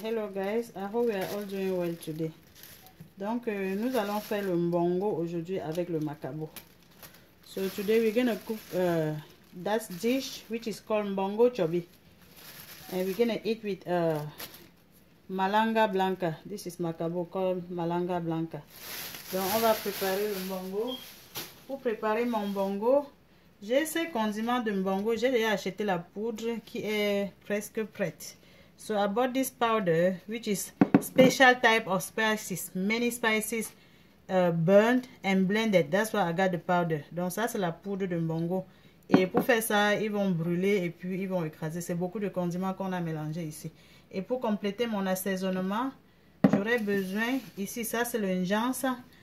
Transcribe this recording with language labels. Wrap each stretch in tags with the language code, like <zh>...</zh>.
<en>Hello guys, I hope you are all doing well today.</en> <fr>Donc, nous allons faire le mbongo aujourd'hui avec le makabo.</fr> <en>So today we're gonna cook that dish which is called mbongo chobi. And we're gonna eat with malanga blanca. This is makabo called malanga blanca.</en> <fr>Donc, on va préparer le mbongo. Pour préparer mon mbongo, j'ai ces condiments de mbongo, j'ai déjà acheté la poudre qui est presque prête.</fr> <en>So I bought this powder which is special type of spices, many spices burned and blended. That's why I got the powder.</en> <fr>Donc ça c'est la poudre de mbongo. Et pour faire ça, ils vont brûler et puis ils vont écraser. C'est beaucoup de condiments qu'on a mélangés ici. Et pour compléter mon assaisonnement, j'aurais besoin ici, ça c'est le njansa.</fr>